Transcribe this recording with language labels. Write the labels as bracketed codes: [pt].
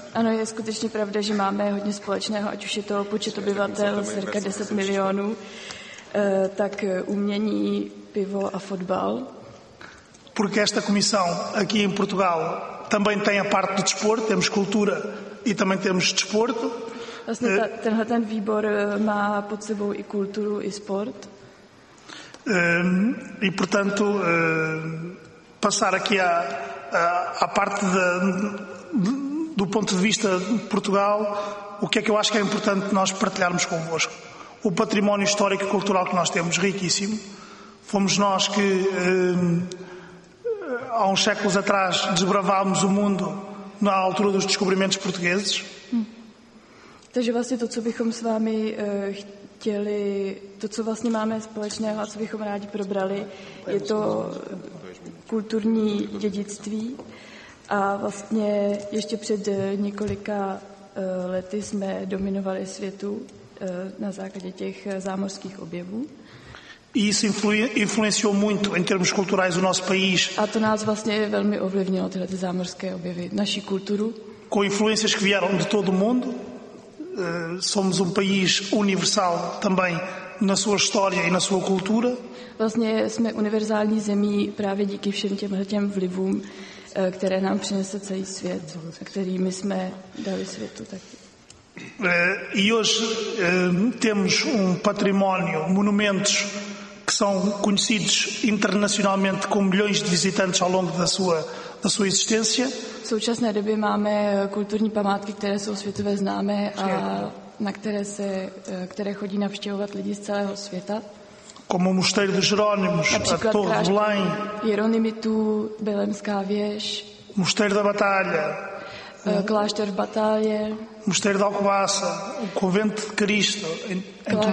[cs] Ano, je skutečně pravda, že máme hodně společného, ať už je to počet obyvatel cirka 10 milionů, tak umění, pivo a fotbal. [pt] Porque esta comissão aqui em Portugal também tem a parte do desporto, temos cultura e também temos desporto. [cs] Vlastně tenhle výbor má pod sebou i kulturu i sport. [pt] E portanto, passar aqui a parte da do ponto de vista de Portugal, o que é que eu acho que é importante nós partilharmos convosco? O património histórico e cultural que nós temos, riquíssimo. Fomos nós que, há uns séculos atrás, desbravámos o mundo na altura dos descobrimentos portugueses. [cs] Takže vlastně to, co bychom s vámi chtěli, to, co vlastně máme společného a co bychom rádi probrali, je to kulturní dědictví. A vlastně ještě před několika lety jsme dominovali světu na základě těch zámořských objevů. [pt] Isso influenciou muito em termos culturais o nosso país. [cs] A to nás vlastně velmi ovlivnilo, tyhle ty zámořské objevy, naši kulturu. [pt] Com influências que vieram de todo o mundo. Somos país universal também na sua história e na sua cultura. [cs] Vlastně jsme univerzální zemí právě díky všem těmhletěm vlivům, které nám přinese celý svět, kterými jsme dali světu taky. [pt] E hoje temos património, monumentos que são conhecidos internacionalmente com milhões de visitantes ao longo da sua existência. [cs] V současné době máme kulturní památky, které jsou světově známé a na které chodí navštěvovat lidi z celého světa. [pt] Como o Mosteiro dos Jerónimos, a Torre de Belém. [cs] Jeronimitu, Belémská věž. [pt] Mosteiro da Batalha. [cs] Kláštěr v Batalhe. [pt] Mosteiro da Alcobaça, o Convento de Cristo, em Tomar.